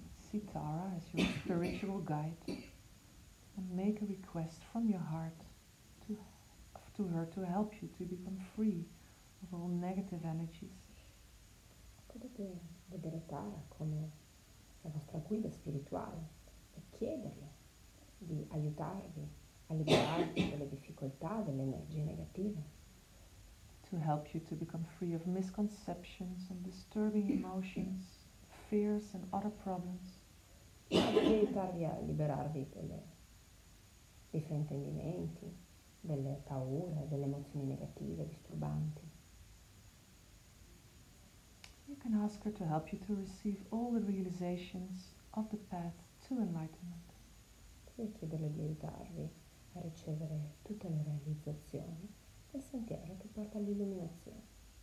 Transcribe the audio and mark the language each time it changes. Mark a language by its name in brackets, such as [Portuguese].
[English] see Tara as your spiritual guide and make a request from your heart to her to help you to become free of all negative energies. [Italian] Potete vedere Tara come la vostra guida spirituale e chiederle di aiutarvi a liberarvi dalle difficoltà, delle energie negative. [English] To help you to become free of misconceptions and disturbing emotions, fears and other problems. [Italian] Aiutarvi a liberarvi dei fraintendimenti, delle paure, delle emozioni negative, disturbanti. [English] You can ask her to help you to receive all the realizations of the path to enlightenment. [Italian] Puoi chiederle di aiutarvi a ricevere tutte le realizzazioni del sentiero che porta all'illuminazione.